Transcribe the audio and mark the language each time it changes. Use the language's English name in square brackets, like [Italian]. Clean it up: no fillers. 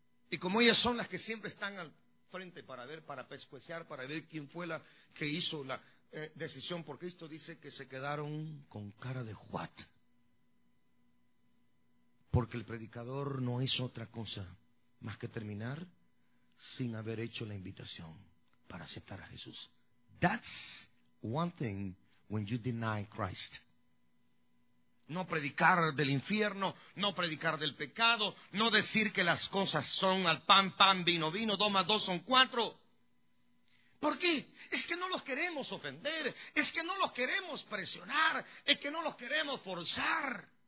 [Spanish] Y como ellas son las que siempre están al frente para ver, para pescuecear, para ver quién fue la que hizo la decisión por Cristo, dice que se quedaron con cara de what. Porque el predicador no hizo otra cosa más que terminar sin haber hecho la invitación para aceptar a Jesús. [English] That's one thing when you deny Christ. [Spanish] No predicar del infierno, no predicar del pecado, no decir que las cosas son al pan, pan, vino, vino, 2 más 2 son 4. ¿Por qué? Es que no los queremos ofender, es que no los queremos presionar, es que no los queremos forzar.